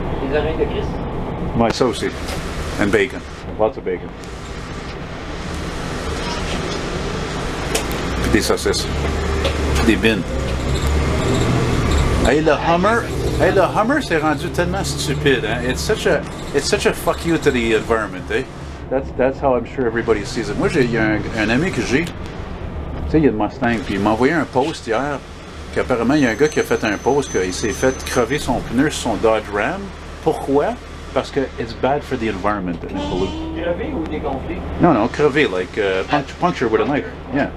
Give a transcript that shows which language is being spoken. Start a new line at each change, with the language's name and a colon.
French: Les oreilles de Christ? Ouais, ça aussi.
English: And bacon. Lots of bacon.
French: Des saucisses. Des bines. Hey, le Hummer. Hey, le Hummer s'est rendu tellement stupide, hein?
English: It's such a fuck you to the environment, eh? That's how I'm sure everybody sees it.
French: Moi, j'ai un ami que j'ai. Tu sais, il y a une Mustang, puis il m'a envoyé un post hier. Puis apparemment, il y a un gars qui a fait un post qu'il s'est fait crever son pneu sur son Dodge Ram. Pourquoi? Parce que
English: it's bad for the environment.
French: Crevé ou dégonflé? Non, non, crevé,
English: like puncture with a knife. Yeah.